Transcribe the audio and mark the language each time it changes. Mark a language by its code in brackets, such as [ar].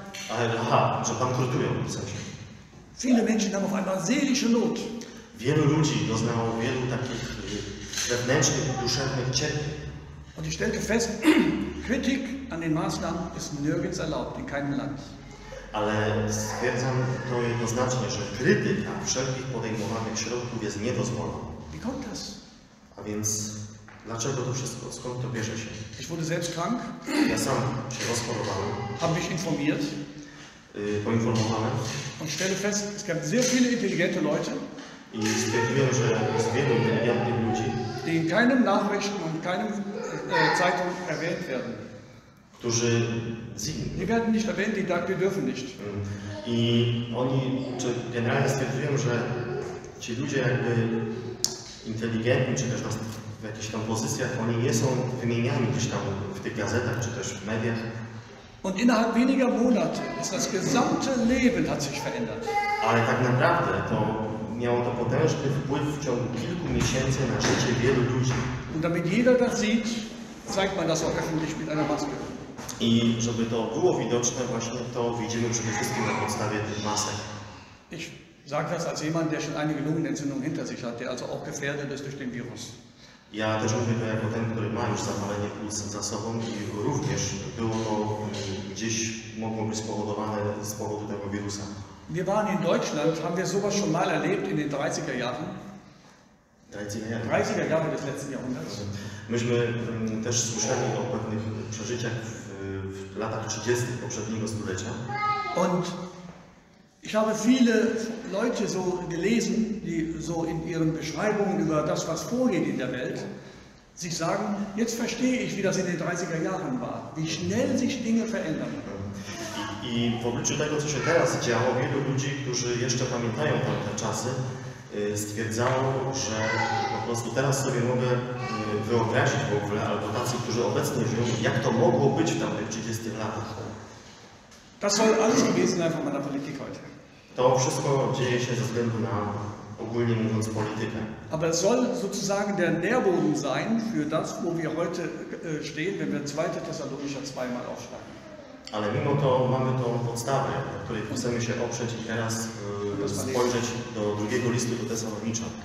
[pl] Aha, że bankrutują w sensie. [de] Viele Menschen haben auf einmal seelische Not. [pl] Wielu ludzi doznało wielu takich wewnętrznych, duszewnych cierpień. [de] Und ich stellte fest, Kritik an den Maßnahmen ist nirgends erlaubt, in keinem Land. [pl] Ale stwierdzam to jednoznacznie, że krytyka wszelkich podejmowanych środków jest niedozwolona. [de] Wie kommt das? [pl] A więc dlaczego to wszystko? Skąd to bierze się? [de] Ich wurde selbst krank. [pl] Ja sam się rozchorowałem. [de] Hab mich informiert. [pl] poinformowane. [de] Und stelle fest, es gab sehr viele intelligente Leute. [pl] I stwierdziłem, że jest wielu inteligentnych ludzi, [de] die in keinem Nachrichten und keinem Zeitung erwähnt werden. [pl] Którzy [de] die werden nicht erwähnt, die sagen, wir dürfen nicht. [pl] I oni, czy generalnie stwierdziłem, że ci ludzie jakby inteligentni, czy też w jakichś tam pozycjach, oni nie są wymieniani gdzieś tam w tych gazetach, czy też w mediach. [de] Und innerhalb weniger Monate ist das gesamte Leben hat sich verändert. [pl] Ale tak naprawdę to miało to potężny wpływ w ciągu kilku miesięcy na życie wielu ludzi. [de] Und damit jeder das sieht, zeigt man das auch öffentlich mit einer Maske. [pl] I żeby to było widoczne, właśnie to widzimy przede wszystkim na podstawie tych masek. [de] Ich sage das als jemand, der schon einige Lungenentzündungen hinter sich hat, der also auch gefährdet ist durch den Virus. [pl] Ja też mówię to jako ten, który ma już zapalenie płuc za sobą i również było to gdzieś mogło być spowodowane z powodu tego wirusa. [de] Wir waren in Deutschland, haben wir sowas schon mal erlebt in den 30er Jahren. 30er Jahre des letzten Jahrhunderts. [pl] Myśmy też słyszeli o pewnych przeżyciach w latach 30. poprzedniego stulecia. [de] Und ich habe viele Leute so gelesen, die so in ihren Beschreibungen über das, was vorgeht in der Welt, sich sagen, jetzt verstehe ich, wie das in den 30er Jahren war, wie schnell sich Dinge verändern. [pl] I w obliczu tego, co się teraz działo, wielu ludzi, którzy jeszcze pamiętają tamte czasy, stwierdzało, że po prostu teraz sobie mogę wyobrazić w ogóle, albo tacy, którzy obecnie żyją, jak to mogło być w tamtych 30 latach. [de] Das soll alles gewesen sein von meiner Politik heute. [pl] To wszystko dzieje się ze względu na ogólnie mówiąc politykę. [de] Aber es soll sozusagen der Nährboden sein für das, wo wir heute stehen, wenn wir 2. Thessalonicher 2 mal aufschlagen. [pl] Ale mimo to mamy tą podstawę, na której chcemy się oprzeć i teraz spojrzeć do drugiego listu do Tesalonicza.